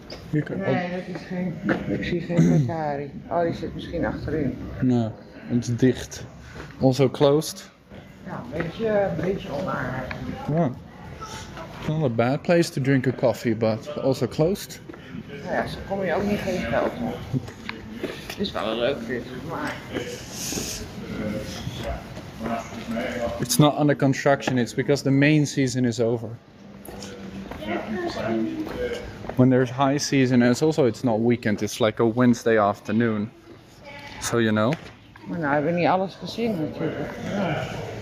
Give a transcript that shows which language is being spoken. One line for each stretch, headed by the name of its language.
Dutch: Hier kan... Nee, dat is geen... Ik zie geen Ferrari. Oh, die zit misschien achterin. Nee, het is dicht.
English: Also closed.
Dutch: Ja, een beetje onaardig. Ja.
English: Not a bad place to drink a coffee, but also closed.
Dutch: Nou ja, zo kom je ook niet geen geld op. Het is wel een leuk dit, maar...
English: It's not under construction, it's because the main season is over. When there's high season, and it's not weekend, it's like a Wednesday afternoon. So you know. Well, now I've not seen everything, of course.